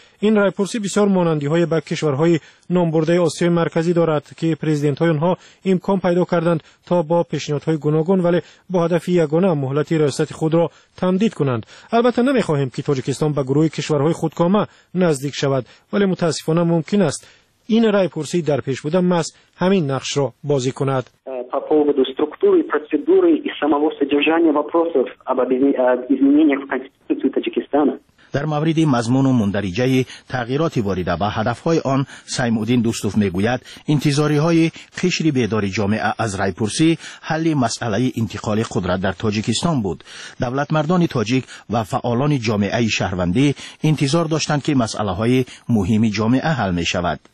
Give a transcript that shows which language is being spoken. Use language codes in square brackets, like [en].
[fa] این رای پرسی بسیار مانندی های به کشورهای نامبرده آسیای مرکزی دارد که پرزیدنت های آنها امکان پیدا کردند تا با پیشنهادهای گوناگون ولی با هدف یگانه مهلت ریاست خود را تمدید کنند. البته نمیخواهیم که تاجیکستان به گروه کشورهای خودکامه نزدیک شود، ولی متاسفانه ممکن است این رای پرسی در پیش بوده مس همین نقش را بازی کند. [ru] структуры, процедуры и самого содержания вопросов об изменениях в Конституции Таджикистана. [fa] در مورد مضمون و مندرجه‌ی تغییرات واریده به هدف‌های آن، سیمودین دوستوف می‌گوید انتظاری‌های قشر بیدار جامعه از رای پرسی حل مسئله انتقال قدرت در تاجیکستان بود. دولت مردان تاجیک و فعالان جامعه شهروندی انتظار داشتند که مسئله‌های مهم جامعه حل می‌شود.